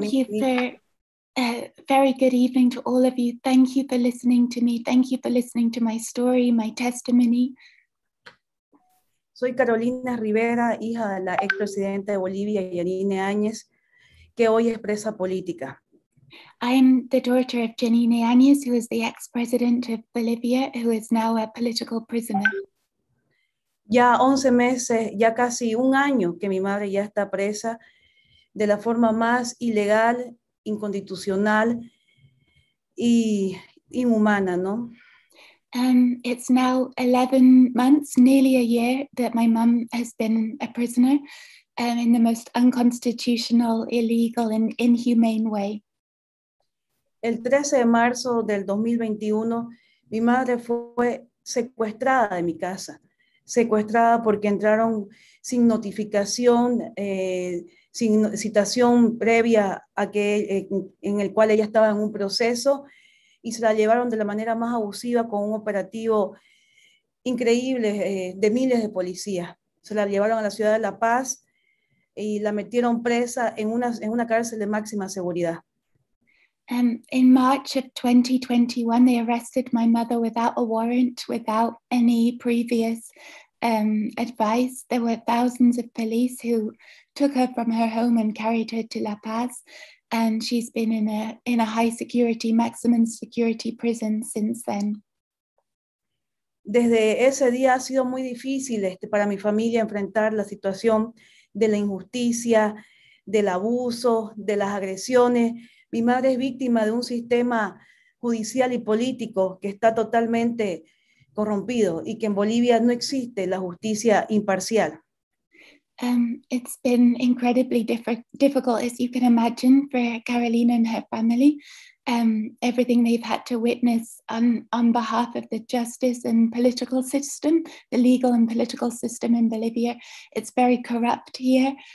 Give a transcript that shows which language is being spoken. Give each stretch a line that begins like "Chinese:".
English: Thank you for very good evening to all of you. Thank you for listening to me. Thank you for listening to my story, my testimony.
Spanish: Soy Carolina Rivera, hija de la expresidenta de Bolivia, Jeanine Áñez, que hoy es presa política.
English: I'm the daughter of Jeanine Áñez, who is the ex-president of Bolivia, who is now a political prisoner.
Spanish: Ya 11 meses, ya casi un año que mi madre ya está presa de la forma más ilegal, inconstitucional y inhumana, ¿no?
English: It's now 11 months, nearly a year, that my mom has been a prisoner in the most unconstitutional, illegal, and inhumane way.
Spanish: El 13 de marzo del 2021, mi madre fue secuestrada de mi casa. Secuestrada porque entraron sin notificación, sin citación previa a que en el cual ella estaba en un proceso. Y se la llevaron de la manera más abusiva con un operativo increíble de miles de policías. Se la llevaron a la ciudad de La Paz y la metieron presa en una cárcel de máxima seguridad.
English: In March of 2021, they arrested my mother without a warrant, without any previous advice. There were thousands of police who took her from her home and carried her to La Paz. And she's been in a high security, maximum security prison since then.
Spanish: Desde ese día ha sido muy difícil para mi familia enfrentar la situación de la injusticia, del abuso, de las agresiones. Mi madre es víctima de un sistema judicial y político que está totalmente corrompido y que en Bolivia no existe la justicia imparcial.
English: It's been incredibly difficult, as you can imagine, for Carolina and her family. Everything they've had to witness on behalf of the justice and political system, the legal and political system in Bolivia, it's very corrupt here.